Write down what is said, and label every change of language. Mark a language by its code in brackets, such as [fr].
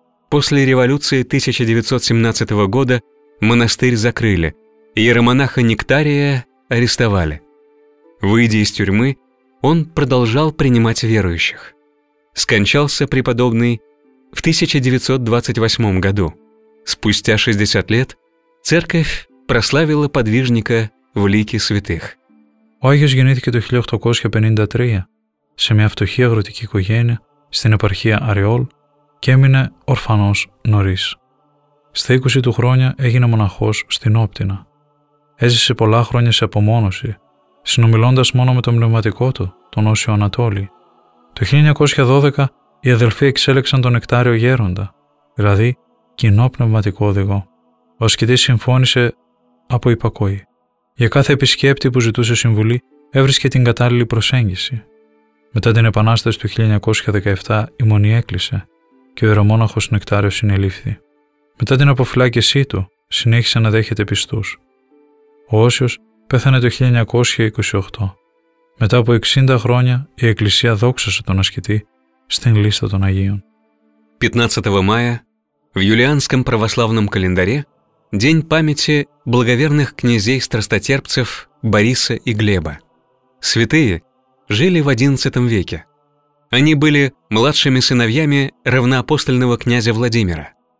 [ru] После революции 1917 года монастырь закрыли, иеромонаха Нектария арестовали. Выйдя из тюрьмы, он продолжал принимать верующих. Скончался преподобный в 1928 году. Спустя 60 лет церковь прославила подвижника в лике святых. [el] Ο Άγιος γεννήθηκε το 1853 σε μια φτωχή αγροτική οικογένεια στην επαρχία Αριόλ και έμεινε ορφανός νωρίς. Στα 20 του χρόνια έγινε μοναχός στην Όπτινα. Έζησε πολλά χρόνια σε απομόνωση, συνομιλώντας μόνο με τον πνευματικό του, τον Όσιο Ανατόλη. Το 1912 οι αδελφοί εξέλεξαν τον Νεκτάριο γέροντα, δηλαδή κοινό πνευματικό οδηγό. Ο ασκητής συμφώνησε από υπακοή. Για κάθε επισκέπτη που ζητούσε συμβουλή, έβρισκε την κατάλληλη προσέγγιση. Μετά την Επανάσταση του 1917 η Μονή έκλεισε και ο ιερομόναχος Νεκτάριος συνελήφθη. Μετά την αποφυλάκησή του, συνέχισε να δέχεται πιστούς. Ο Όσιος πέθανε το 1928. Μετά από 60 χρόνια, η Εκκλησία δόξασε τον ασκητή στην λίστα των Αγίων. [ru] 15 мая в юлианском православном календаре день памяти благоверных князей-страстотерпцев Бориса и Глеба. Святые жили в XI веке. Они были младшими сыновьями равноапостольного князя Владимира.